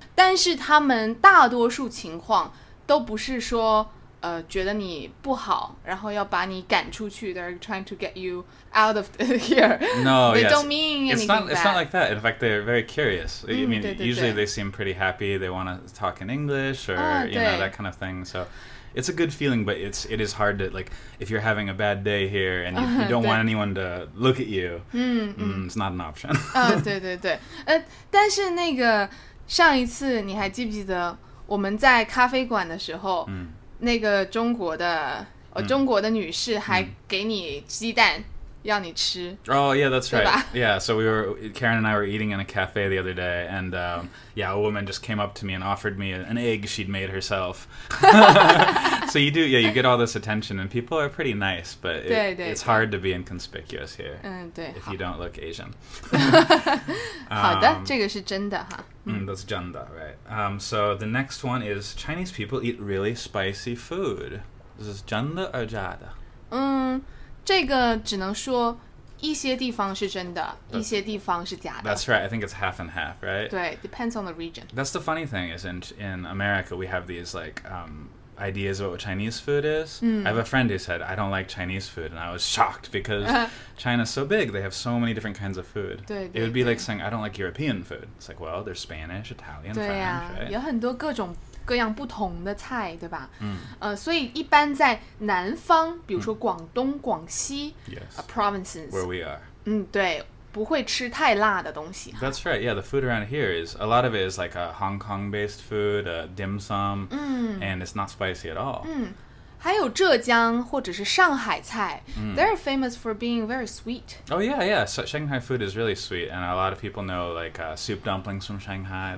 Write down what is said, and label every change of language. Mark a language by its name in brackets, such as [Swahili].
[Chinese] 但是他们大多数情况都不是说觉得你不好，然后要把你赶出去。 [English] They're trying to get you out of here. No, they They don't mean anything it's not, bad. It's not like that. In fact, they're very curious. Mm, I mean, [Chinese] 对。 [English] Usually they seem pretty happy. They want to talk in English or, you know, that kind of thing. So it's a good feeling, but it is hard to, like, if you're having a bad day here and you don't want anyone to look at you, it's not an option. [Chinese] 对。但是那个上一次你还记不记得我们在咖啡馆的时候那个中国的中国的女士还给你鸡蛋让你吃。 [English] Oh, yeah, that's right. Yeah, so we were, Karen and I were eating in a cafe the other day, and yeah, a woman just came up to me and offered me an egg she'd made herself. So you do, yeah, you get all this attention, and people are pretty nice, but it's hard to be inconspicuous here if you don't look Asian. [Chinese] 好的，这个是真的哈。 [English] That's [Chinese] 真的, [English] right. So the next one is Chinese people eat really spicy food. Is this [Chinese] 真的 [English] or [Chinese] 假的? 这个只能说一些地方是真的，一些地方是假的。 [English] That's right. I think it's half and half, right? 对 ，depends on the region. That's the funny thing is in America we have these like ideas about what Chinese food is. I have a friend who said I don't like Chinese food, and I was shocked because China's so big. They have so many different kinds of food. [Chinese] 对。 [English] It would be like saying I don't like European food. It's like, well, there's Spanish, Italian, French, right? [Chinese] 对啊，有很多各种。各样不同的菜，对吧？嗯。所以一般在南方，比如说广东、广西 [English] ，yes, provinces where we are. [Chinese] 对，不会吃太辣的东西。 [English] That's right. Yeah, the food around here is a lot of it is like a Hong Kong-based food, a dim sum, and it's not spicy at all. [Chinese] 还有浙江或者是上海菜 ， [English] they're famous for being very sweet. Oh yeah, yeah. So Shanghai food is really sweet, and a lot of people know like soup dumplings from Shanghai.